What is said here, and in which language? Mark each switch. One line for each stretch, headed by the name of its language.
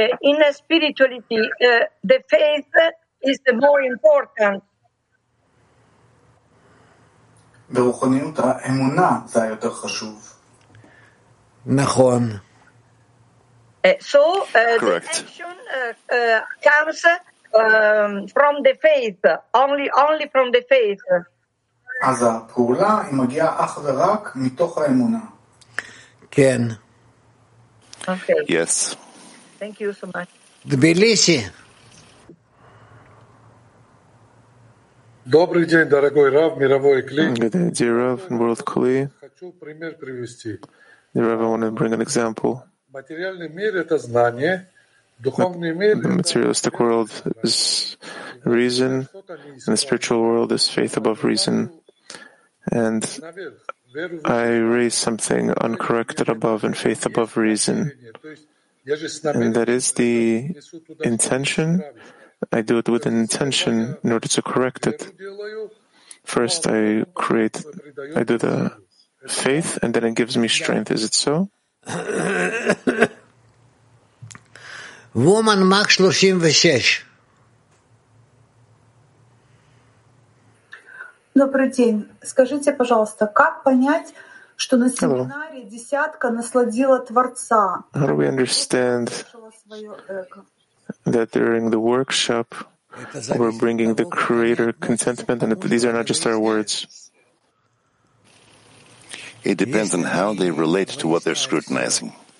English: In a spirituality, the faith is the more important.
Hebrew: ברוחניות האמונה זה יותר חשוב. נכון.
English: So correct. The tension comes from the faith, only from the faith.
Hebrew: אז הפעולה היא מגיעה אך ורק מתוך האמונה. כן.
English: Okay. Yes. Thank you so much.
Russian: Тбилиси. Добрый день, дорогой Рав, мировой кли.
English: Good day, dear Rav, world kli.
Russian: Хочу пример привести.
English: Dear Rav, I want to bring an example.
Russian: Материальный мир — это знание. Духовный мир —
English: the materialistic world is reason, and the spiritual world is faith above reason. And I raise something uncorrected above and faith above reason. And that is the intention. I do it with an intention in order to correct it. First, I do the faith, and then it gives me strength. Is it so? Woman, Mark 36.
Russian: Добрый день. Скажите, пожалуйста, как понять, что на семинаре десятка насладила Творца?
English: How do we understand that during the workshop we're bringing the Creator contentment and that these are not just our words? It depends on how they relate to what they're scrutinizing.